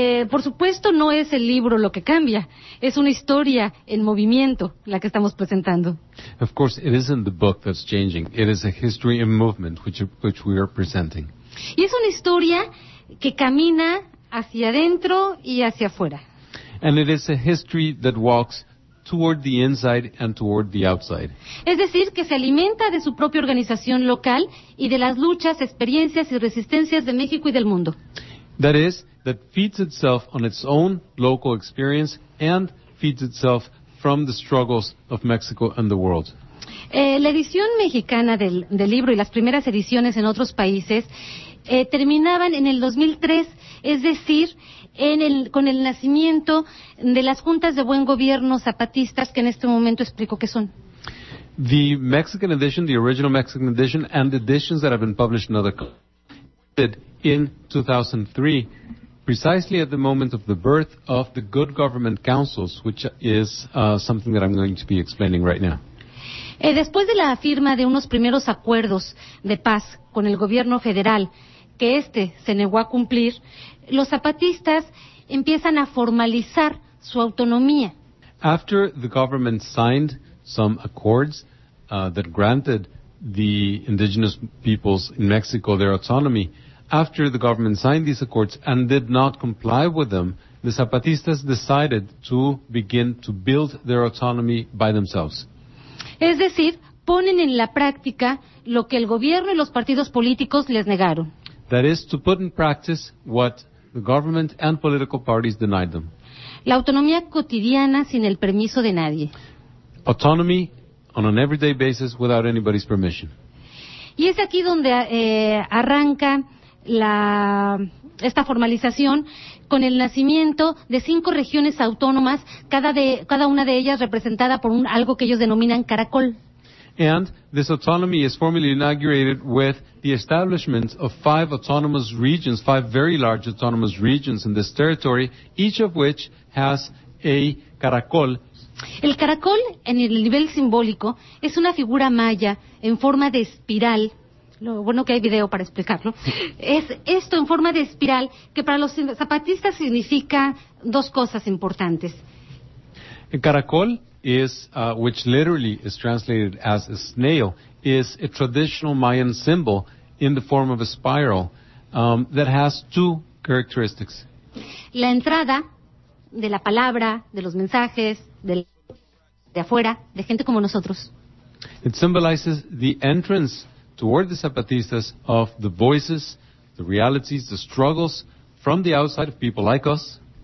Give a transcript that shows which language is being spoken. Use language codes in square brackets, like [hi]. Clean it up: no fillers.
[es] Por supuesto no es el libro lo que cambia. Es una historia en movimiento la que estamos presentando. [en] Of course, it isn't the book that's changing. It is a history in movement which we are presenting. [es] Y es una historia que camina hacia adentro y hacia afuera. [en] And it is a history that walks toward the inside and toward the outside. [es] Es decir, que se alimenta de su propia organización local y de las luchas, experiencias y resistencias de México y del mundo. [en] That is, that feeds itself on its own local experience and feeds itself from the struggles of Mexico and the world. [es] La edición mexicana del libro y las primeras ediciones en otros países terminaban en el 2003, es decir, con el nacimiento de las juntas de buen gobierno zapatistas, que en este momento explico qué son. [en] The Mexican edition, the original Mexican edition, and editions that have been published in other countries, in 2003, precisely at the moment of the birth of the Good Government Councils, which is something that I'm going to be explaining right now. [es] Después de la firma de unos primeros acuerdos de paz con el gobierno federal, que este se negó a cumplir, los zapatistas empiezan a formalizar su autonomía. [en] After the government signed some accords that granted the indigenous peoples in Mexico their autonomy, after the government signed these accords and did not comply with them, the Zapatistas decided to begin to build their autonomy by themselves. [es] Es decir, ponen en la práctica lo que el gobierno y los partidos políticos les negaron. [en] That is to put in practice what the government and political parties denied them. [es] La autonomía cotidiana sin el permiso de nadie. [en] Autonomy on an everyday basis without anybody's permission. [es] Y es aquí donde arranca esta formalización con el nacimiento de 5 regiones autónomas, cada una de ellas representada por algo que ellos denominan caracol. [en] And this autonomy is formally inaugurated with the establishment of 5 autonomous regions, 5 very large autonomous regions in this territory, each of which has a caracol. [es] El caracol, en el nivel simbólico, es una figura maya en forma de espiral. Lo bueno que hay video para explicarlo. Es esto en forma de espiral que para los zapatistas significa 2 cosas importantes. [en] El caracol is, which literally is translated as a snail, is a traditional Mayan symbol in the form of a spiral that has 2 characteristics. [es] La entrada de la palabra, de los mensajes, de afuera, de gente como nosotros. [en] It symbolizes the entrance toward the Zapatistas of the voices, the realities, the struggles from the outside of people like us.